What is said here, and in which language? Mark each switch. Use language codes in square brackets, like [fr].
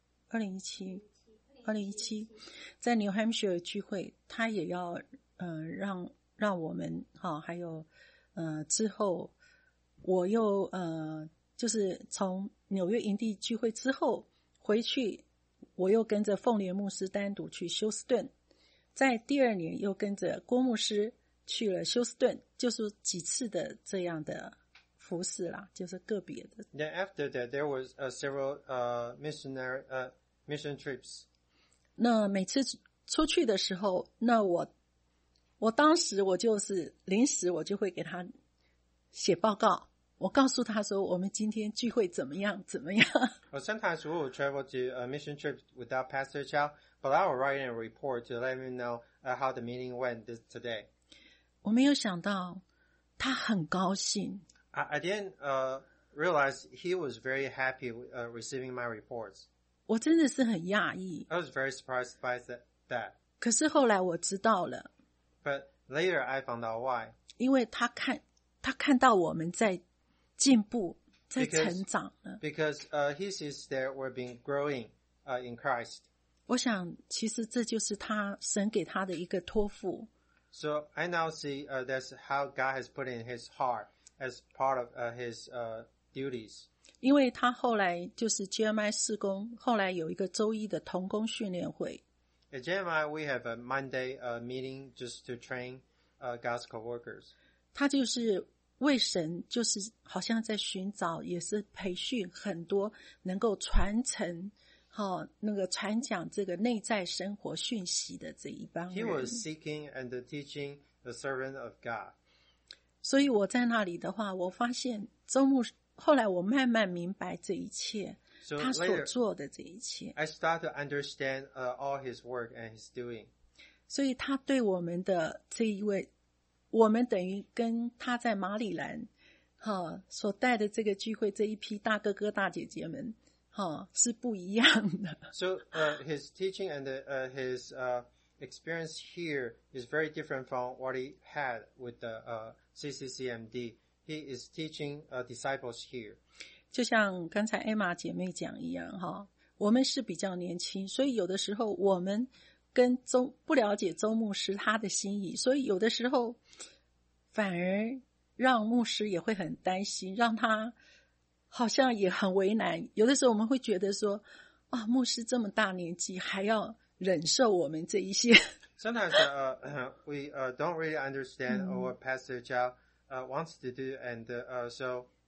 [zh] 2017, 在 New Hampshire 聚会，他也要让我们哈，还有之后我又就是从纽约营地聚会之后回去，我又跟着凤莲牧师单独去休斯顿，在第二年又跟着郭牧师去了休斯顿，就是几次的这样的服侍啦，就是个别的。 [en] Then after that, there was several mission trips. [zh] 那每次出去的时候，那我当时我就是临时我就会给他写报告，我告诉他说我们今天聚会怎么样怎么样。 [en] Well, sometimes we will travel to a mission trip without Pastor Chow, but I will write a report to let him know how the meeting went today. [zh] 我没有想到他很高兴。 [en] I didn't realize he was very happy receiving my reports. [zh] 我真的是很讶异。 [en] I was very surprised by that. [zh] 可是后来我知道了。 [en] But later I found out why. [zh] 因为他看到我们在进步，在成长了。 [en] Because he sees that we're being growing in Christ. [zh] 我想其实这就是他神给他的一个托付。 [en] So I now see that's how God has put in his heart. As part of his duties. [zh] 因为他后来就是 GMI 事工，后来有一个周一的同工训练会。 [en] At GMI, we have a Monday meeting just to train God's co-workers. [zh] 他就是为神，就是好像在寻找，也是培训很多能够传承好，那个传讲这个内在生活讯息的这一帮人。 [en] He was seeking and teaching the servant of God. [zh] 所以我在那里的话，我发现周牧，后来我慢慢明白这一切。 [en] So、 [zh] 他所做的这一切 [en] later, I start to understand、all his work and his doing. [zh] 所以他对我们的这一位，我们等于跟他在马里兰、所带的这个聚会这一批大哥哥大姐姐们、是不一样的。 [en] So、his teaching and his experience here is very different from what he had with the、CCCMD. He is teaching、disciples here. [zh] 就像刚才 Emma 姐妹讲一样，我们是比较年轻，所以有的时候我们跟周不了解周牧师他的心意，所以有的时候反而让牧师也会很担心，让他好像也很为难。有的时候我们会觉得说、哦、牧师这么大年纪还要忍受我们这一些。 [en] Sometimes we don't really understand what Pastor Zhao wants to do and so